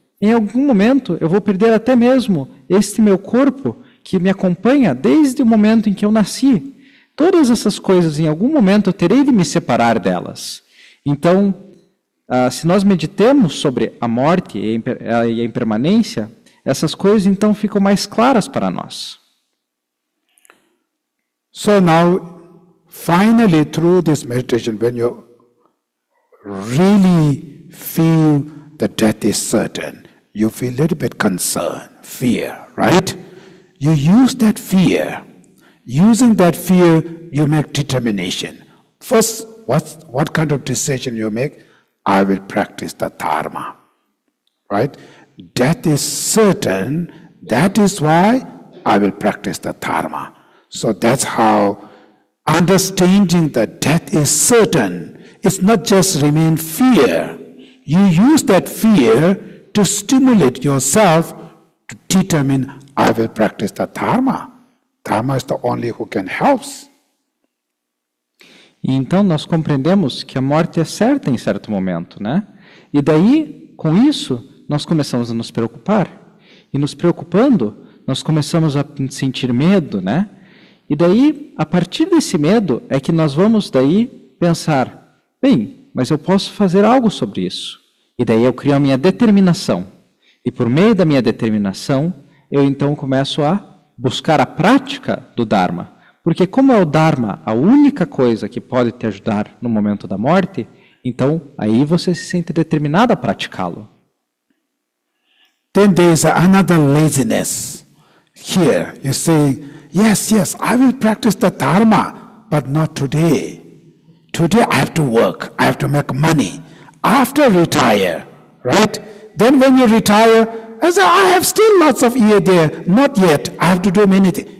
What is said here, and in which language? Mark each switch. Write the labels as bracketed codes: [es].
[pt] Em algum momento eu vou perder até mesmo este meu corpo que me acompanha desde o momento em que eu nasci. Todas essas coisas, em algum momento, eu terei de me separar delas. Então, se nós meditemos sobre a morte e a impermanência, essas coisas, então, ficam mais claras para nós. [en] So now, finally, through this meditation, when you really feel that death is certain, you feel a little bit concern, fear, right? You use that fear. Using that fear, you make determination. First, what kind of decision you make? I will practice the dharma. Right? Death is certain. That is why I will practice the dharma. So that's how understanding that death is certain. It's not just remain fear. You use that fear to stimulate yourself to determine I will practice the dharma. Dharma is the only who can help. [pt] Então nós compreendemos que a morte é certa em certo momento, né? E daí, com isso, nós começamos a nos preocupar. E nos preocupando, nós começamos a sentir medo, né? E daí, a partir desse medo, é que nós vamos daí pensar, bem, mas eu posso fazer algo sobre isso. E daí eu crio a minha determinação. E por meio da minha determinação, eu então começo a buscar a prática do Dharma. Porque como é o Dharma a única coisa que pode te ajudar no momento da morte, então aí você se sente determinado a praticá-lo. [en] Then there is another laziness here. You say, yes, yes, I will practice the Dharma, but not today. Today I have to work, I have to make money. After retire, right? Then when you retire, I say, I have still lots of year there, not yet, I have to do many things.